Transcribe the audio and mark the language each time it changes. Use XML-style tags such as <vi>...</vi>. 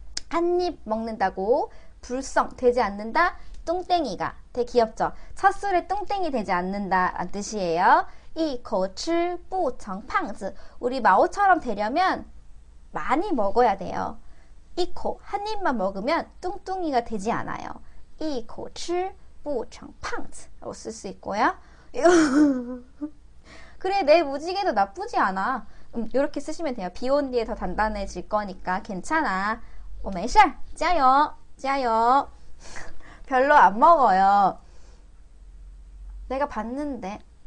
<ko>한입 먹는다고 불성 되지 않는다. 뚱땡이가. 되게 귀엽죠? 첫술에 뚱땡이 되지 않는다라는 뜻이에요.</ko> <zh>一口吃不成胖子.</zh> <ko>우리 마오처럼 되려면 많이 먹어야 돼요. 一口 한 입만 먹으면 뚱뚱이가 되지 않아요.</ko> <zh>一口吃不成胖子</zh> <ko>라고 쓸수 있고요. 그래, 내 무지개도 나쁘지 않아. 이렇게 쓰시면 돼요. 비온 뒤에 더 단단해질 거니까 괜찮아.</ko> <zh>没事, 加油, 加油.</zh> <ko>별로 안 먹어요. 내가 봤는데.</ko>